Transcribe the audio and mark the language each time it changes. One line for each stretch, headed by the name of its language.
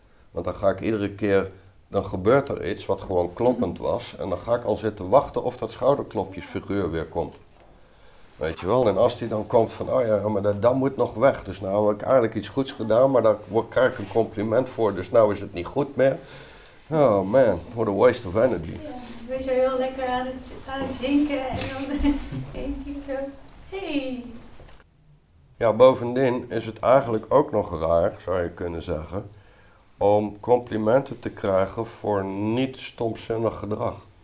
Dutch: Want dan ga ik iedere keer, dan gebeurt er iets wat gewoon kloppend was, en dan ga ik al zitten wachten of dat schouderklopjesfiguur weer komt. Weet je wel, en als die dan komt van, oh ja, maar dat moet nog weg. Dus nou heb ik eigenlijk iets goeds gedaan, maar daar krijg ik een compliment voor. Dus nou is het niet goed meer.
English: Oh man, what a waste of energy.
Dutch: Ja, we zijn heel lekker aan het zinken en dan denk ik zo, hey. Ja, bovendien is het eigenlijk ook nog raar, zou je kunnen zeggen, om complimenten te krijgen voor niet stomzinnig gedrag.